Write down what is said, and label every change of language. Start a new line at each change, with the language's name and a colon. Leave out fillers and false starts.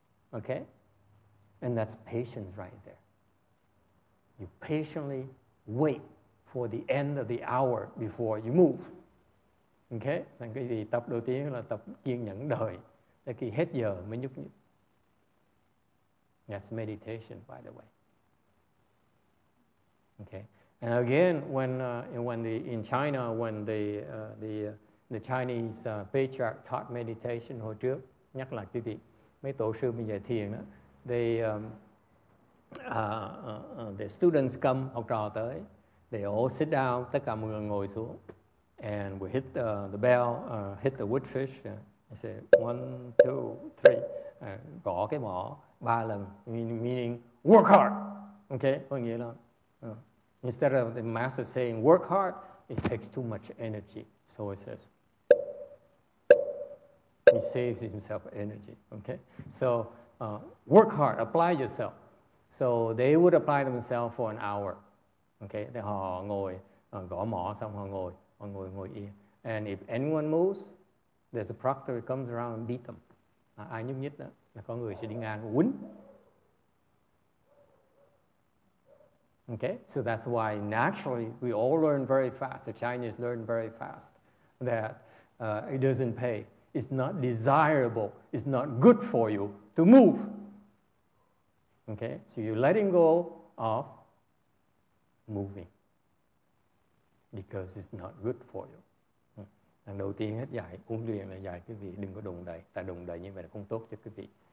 English: Okay? And that's patience right there. You patiently wait for the end of the hour before you move. Okay?
Vietnamese: Thành cái gì tập đầu tiên là tập kiên nhẫn đợi để khi hết giờ mới nhúc nhích.
English: That's meditation, by the way. Okay? And again, when in China, the Chinese patriarch taught meditation
Vietnamese: hồi trước, nhắc lại quý vị, mấy tổ sư mình dạy thiền đó,
English: the students come,
Vietnamese: học trò tới,
English: they all sit down,
Vietnamese: tất cả mọi người ngồi xuống,
English: and we hit the bell, hit the wood fish, I say, 1, 2, 3,
Vietnamese: gõ cái mỏ 3 lần,
English: meaning work hard, okay,
Vietnamese: có nghĩa là,
English: instead of the master saying work hard, it takes too much energy. So he says, he saves himself energy. Okay, so work hard, apply yourself. So they would apply themselves for an hour. Okay, then
Vietnamese: họ ngồi gõ mỏ xong họ ngồi ngồi yên.
English: And if anyone moves, there's a proctor who comes around and beat them.
Vietnamese: Ai nhúc nhích đó là có người sẽ đi ngang quấn.
English: Okay, so that's why naturally we all learn very fast. The Chinese learn very fast that it doesn't pay. It's not desirable. It's not good for you to move. Okay, so you're letting go of moving because it's not good for you.
Vietnamese: Lần đầu tiên hết dạy, huấn luyện là dạy quý vị đừng có đụng đầy. Tại đụng đầy như vậy là không tốt cho quý vị.